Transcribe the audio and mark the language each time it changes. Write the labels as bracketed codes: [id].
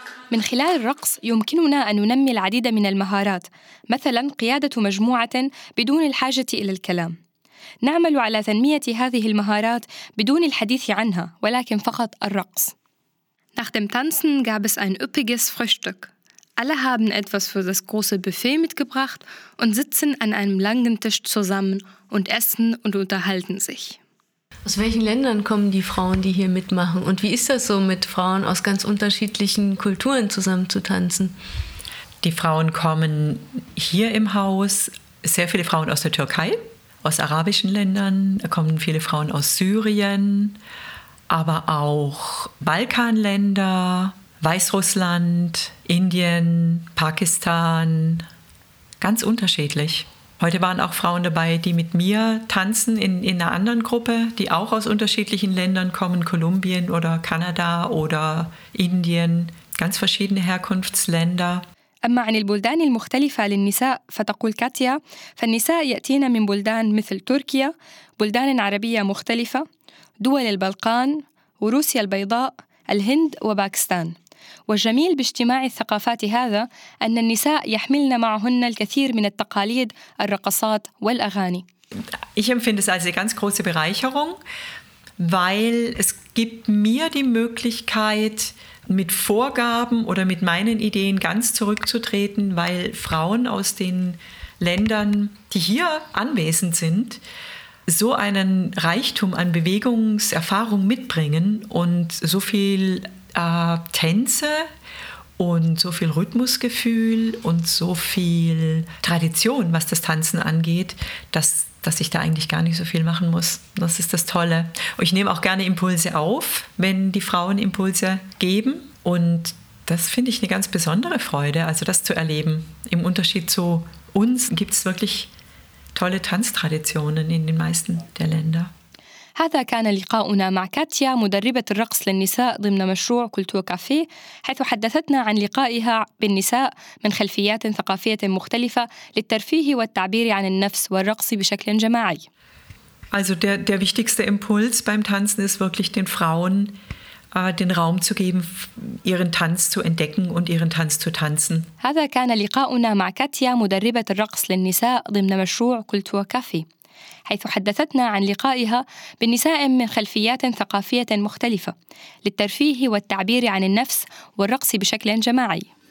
[ar] من خلال الرقص يمكننا أن ننمي العديد من المهارات، مثلاً قيادة مجموعة بدون الحاجة إلى الكلام. نعمل على تنمية هذه المهارات بدون الحديث عنها، ولكن فقط الرقص. [de] Nach dem Tanzen gab es ein üppiges Frühstück. Alle haben etwas für das große Buffet mitgebracht und sitzen an einem langen Tisch zusammen und essen und unterhalten sich. Aus welchen Ländern kommen die Frauen, die hier mitmachen? Und wie ist das so, mit Frauen aus ganz unterschiedlichen Kulturen zusammen zu tanzen? Die Frauen kommen hier im Haus, sehr viele Frauen aus der Türkei, aus arabischen Ländern, da kommen viele Frauen aus Syrien, aber auch Balkanländer, Weißrussland, Indien, Pakistan, ganz unterschiedlich. Heute waren auch Frauen dabei, die mit mir tanzen in einer anderen Gruppe, die auch aus unterschiedlichen Ländern kommen, Kolumbien oder Kanada oder Indien, ganz verschiedene Herkunftsländer. أما عن البلدان المختلفة للنساء فتقول كاتيا فالنساء يأتين من بلدان مثل تركيا، بلدان عربية مختلفة، دول البلقان، وروسيا البيضاء، الهند وباكستان. والجميل باجتماع الثقافات هذا أن النساء يحملن معهن الكثير من التقاليد، الرقصات والأغاني. Ich empfinde es als eine ganz große Bereicherung, weil es gibt mir die Möglichkeit, mit Vorgaben oder mit meinen Ideen ganz zurückzutreten, weil Frauen aus den Ländern, die hier anwesend sind, so einen Reichtum an Bewegungserfahrung mitbringen und so viel Tänze und so viel Rhythmusgefühl und so viel Tradition, was das Tanzen angeht, dass ich da eigentlich gar nicht so viel machen muss. Das ist das Tolle. Und ich nehme auch gerne Impulse auf, wenn die Frauen Impulse geben. Und das finde ich eine ganz besondere Freude, also das zu erleben. Im Unterschied zu uns gibt es wirklich tolle Tanztraditionen in den meisten der Länder. [ar] هذا كان لقاؤنا مع كاتيا مدربة الرقص للنساء ضمن مشروع كولتور كافيه حيث حدثتنا عن لقائها بالنساء من خلفيات ثقافية مختلفة للترفيه والتعبير عن النفس والرقص بشكل جماعي. [de] Also der wichtigste Impuls beim Tanzen ist wirklich den Frauen den Raum zu geben, ihren Tanz zu entdecken und ihren Tanz zu tanzen. [ar] هذا كان لقاؤنا مع كاتيا مدربة الرقص للنساء ضمن مشروع كولتور كافيه حيث حدثتنا عن لقائها بالنساء من خلفيات ثقافية مختلفة للترفيه والتعبير عن النفس والرقص بشكل جماعي.